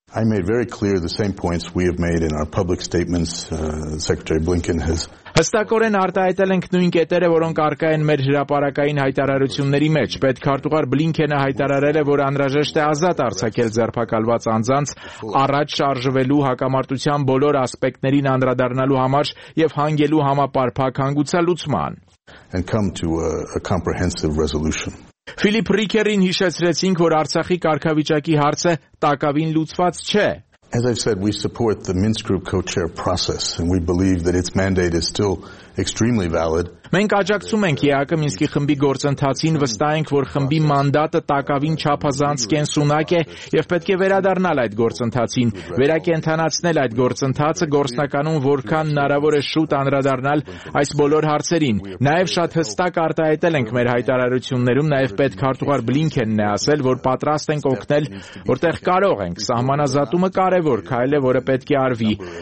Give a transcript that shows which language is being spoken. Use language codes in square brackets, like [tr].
[en] I made very clear the same points we have made in our public statements. Secretary Blinken has [hy] հստակորեն արտահայտել ենք նույն կետերը, որոնք առկա են մեր հրապարակային հայտարարությունների մեջ։ Պետքարտուղար Բլինքենը հայտարարել է, որ անհրաժեշտ է ազատ արձակել ձերբակալված անձանց առաջ շարժվելու հակամարտության բոլոր ասպեկտներին անդրադառնալու համար և հանգելու համապարփակ հանգուցալուծման։ Ֆիլիպ Ռիկերին հիշեցրեցինք, որ Արցախի կարգավիճակի հարցը տակավին լուծված չէ։ [en] As I've said, we support the Minsk Group co-chair process, and we believe that its mandate is still extremely valid. [hy] Մենք աջակցում ենք ԵԱԿ Մինսկի խմբի գործընթացին, վստահենք, որ խմբի մանդատը տակավին չափազանց կենսունակ է եւ պետք է վերադառնալ այդ գործընթացին, վերակենդանացնել այդ գործընթացը գործնականում որքան հնարավոր է շուտ անդրադառնալ այս բոլոր հարցերին։ Նաեւ շատ հստակ արտահայտել ենք մեր հայտարարություններում, նաեւ պետք արտուղար Բլինքենն է ասել, որ պատրաստ ենք օգնել, որտեղ կարող ենք։ Սահմանազատումը կարևոր քայլ է, որը պետք է արվի։